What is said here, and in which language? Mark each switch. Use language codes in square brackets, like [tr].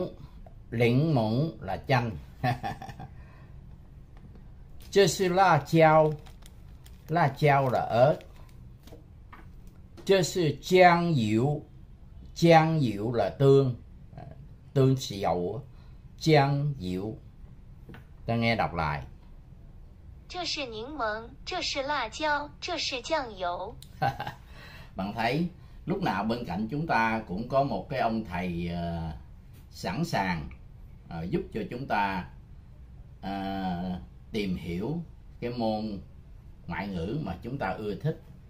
[zh] 这是柠檬，这是辣椒，这是酱油。这是柠檬，柠檬 [vi] là chanh. [zh] 这是辣椒，辣椒 [vi] là ớt. [zh] 这是酱油，酱油 [vi] là tương, tương xì dầu, [zh] 酱油. [vi] Ta nghe đọc lại. [zh] 这是柠檬，这是辣椒，这是酱油. [vi] Bạn thấy lúc nào bên cạnh chúng ta cũng có một cái ông thầy sẵn sàng giúp cho chúng ta tìm hiểu cái môn ngoại ngữ mà chúng ta ưa thích.